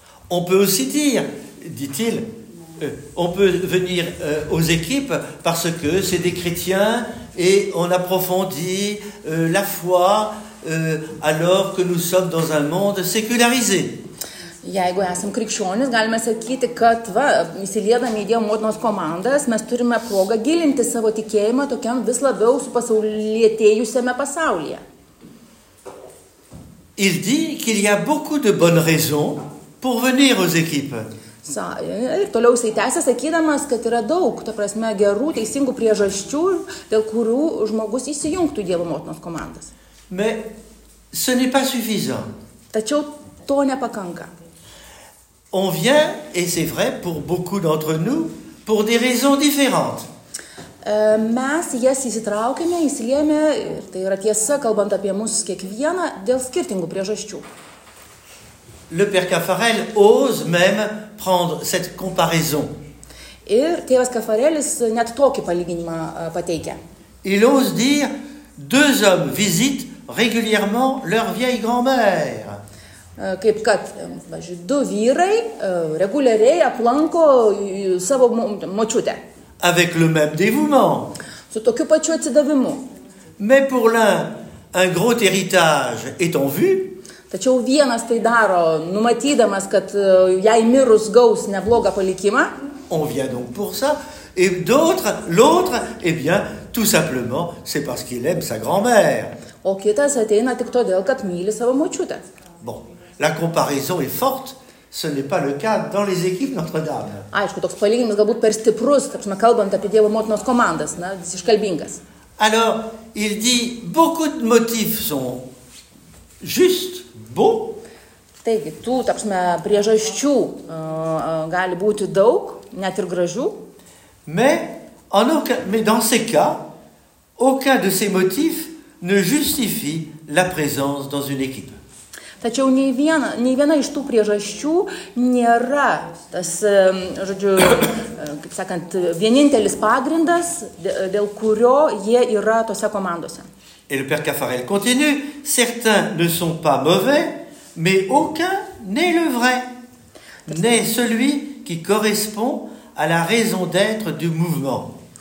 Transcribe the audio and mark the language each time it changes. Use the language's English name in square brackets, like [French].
[French] On peut aussi dire, dit-il, on peut venir aux équipes parce que c'est des chrétiens et on approfondit la foi alors que nous sommes dans un monde sécularisé. [Lithuanian] Jeigu esam krikščionis, galime sakyti, kad va, įsiliedami į Dievo motinos komandas, mes turime progą gilinti savo tikėjimą tokiam vis labiau su pasaulietėjusiame pasaulyje. [French] Il dit qu'il y a beaucoup de bonnes raisons pour venir aux équipes. [Lithuanian] Ir toliau jisai tęsia sakydamas, kad yra daug, ta prasme, gerų, teisingų priežasčių, dėl kurių žmogus įsijungtų Dievo motinos komandas. [French] Mais ce n'est pas suffisant. [Lithuanian] Tačiau to nepakanka. [French] On vient, et c'est vrai pour beaucoup d'entre nous, pour des raisons différentes. [Lithuanian] Mes jas įsitraukėme, įsiliejame, ir tai yra tiesa, kalbant apie mus kiekvieną, dėl skirtingų priežasčių. [French] Le père Caffarel ose même prendre cette comparaison. [Lithuanian] Ir tėvas Caffarelis net tokį palyginimą pateikia. [French] Il ose dire deux hommes visitent régulièrement leur vieille grand-mère. [Lithuanian] Kaip kad, du vyrai reguliariai aplanko savo močiutę. [French] Avec le même dévouement. [Lithuanian] Su tokiu pačiu atsidavimu. [French] Mais pour l'un, un gros héritage est en vue. [Lithuanian] Tačiau vienas tai daro, numatydamas, kad jai mirus gaus neblogą palikimą. [French] On vient donc pour ça. Et d'autres, l'autre, eh bien, tout simplement, c'est parce qu'il aime sa grand-mère. [Lithuanian] O kitas ateina tik todėl, kad myli savo močiutę. [French] Bon, la comparaison est forte. Ce n'est pas le cas dans les équipes Notre-Dame. [Lithuanian] Aišku, toks palyginimas galbūt per stiprus, kaip mes kalbant apie Dievo motinos komandas, na, iškalbingas. [French] Alors, il dit beaucoup de motifs sont juste beaux. [Lithuanian] Taigi, tu, tapsme, priežasčių gali būti daug, net ir gražių. [French] Mais dans ces cas, aucun de ces motifs ne justifie la présence dans une équipe. [Lithuanian] Tačiau nei viena iš tų priežasčių nėra tas, žodžiu, kaip sakant, vienintelis pagrindas, dėl kurio jie yra tose komandose. [French] Et le père Caffarel continue, certains ne sont pas mauvais, mais aucun n'est le vrai, n'est celui qui correspond à la raison d'être du mouvement.